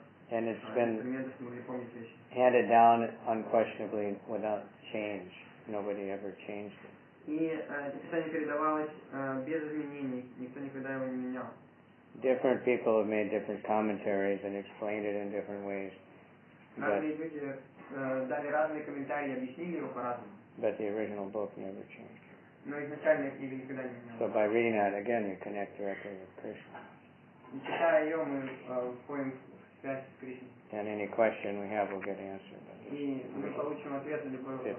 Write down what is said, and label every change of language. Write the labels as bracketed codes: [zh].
[en] And it's been handed down unquestionably without change. Nobody ever changed it. [ru] И это писание передавалось без изменений, никто никогда его не менял. [en] Different people have made different commentaries and explained it in different ways. [ru] Разные люди дали разные комментарии и объяснили его по-разному. [en] But the original book never changed. [ru] Но изначальная книга никогда не менялась. [en] So by reading that again, you connect directly with Krishna. [ru] И читая ее, мы входим в связь с Кришной. [en] And any question we have will get answered. [ru] И мы получим ответ на любой вопрос.